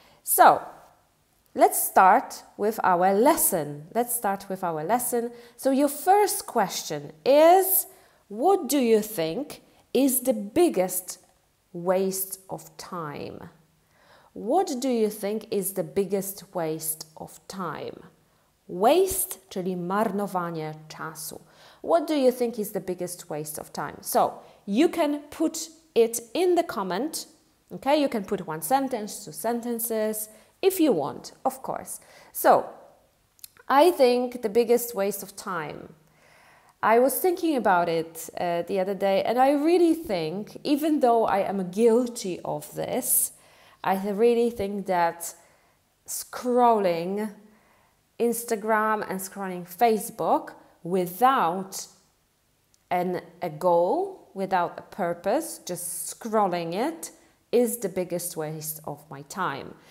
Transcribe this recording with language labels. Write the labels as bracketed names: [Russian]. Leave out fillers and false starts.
[English] So, let's start with our lesson. Let's start with our lesson. So your first question is, what do you think is the biggest waste of time? What do you think is the biggest waste of time? [Polish] Waste, czyli marnowanie czasu. [English] What do you think is the biggest waste of time? So, you can put it in the comment. Okay, you can put one sentence, two sentences, if you want, of course. So, I think the biggest waste of time. I was thinking about it the other day, and I really think, even though I am guilty of this, I really think that scrolling Instagram and scrolling Facebook without a goal, without a purpose, just scrolling it, is the biggest waste of my time.